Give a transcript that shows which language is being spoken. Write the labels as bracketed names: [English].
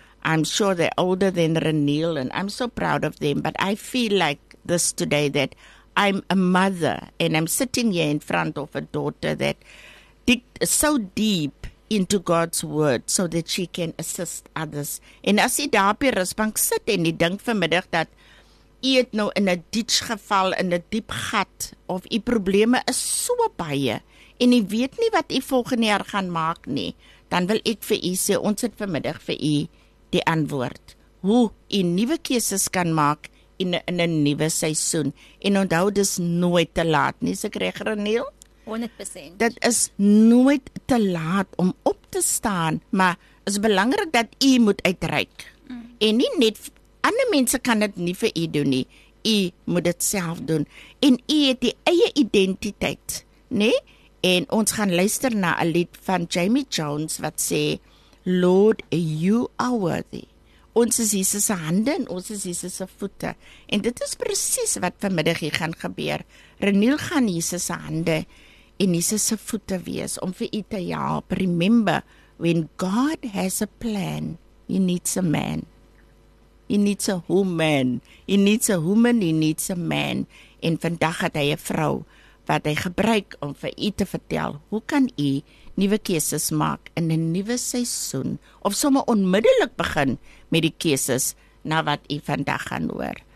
[English] I'm sure they're older than Reneel and I'm so proud of them. But I feel like this today that I'm a mother and I'm sitting here in front of a daughter that digged so deep into God's word, so that she can assist others. [Afrikaans] En as jy daar op die rusbank sit, en jy denk vanmiddag dat jy het nou in 'n ditch geval, in 'n diep gat, of jy probleme is so baie, en jy weet nie wat jy volgende jaar gaan maak nie, dan wil ek vir jy sê, ons het vanmiddag vir jy die antwoord, hoe jy nuwe keuses kan maak, in 'n nuwe seisoen, en onthou dis nooit te laat nie, so krijg Reneel, 100%. Dit is nooit te laat om op te staan, maar is belangrik dat jy moet uitreik. En nie net, ander mense kan dit nie vir jy doen nie. Jy moet dit self doen. En jy het die eie identiteit, nee? En ons gaan luister na 'n lied van Jamie Jones wat sê, [English] Lord, you are worthy. [Afrikaans] Ons is Jesus se hande en ons is Jesus se voete. En dit is precies wat vanmiddag hier gaan gebeur. Reneel gaan Jesus se hande en Jesus se voete wees om vir u te help. [English] Remember, when God has a plan, he needs a man. He needs a woman. He needs a woman, he needs a man. [Afrikaans] En vandag het hy 'n vrou wat hy gebruik om vir u te vertel, hoe kan u nuwe keuses maak in 'n nuwe seisoen of sommer onmiddellik begin met die keuses na wat u vandag gaan hoor.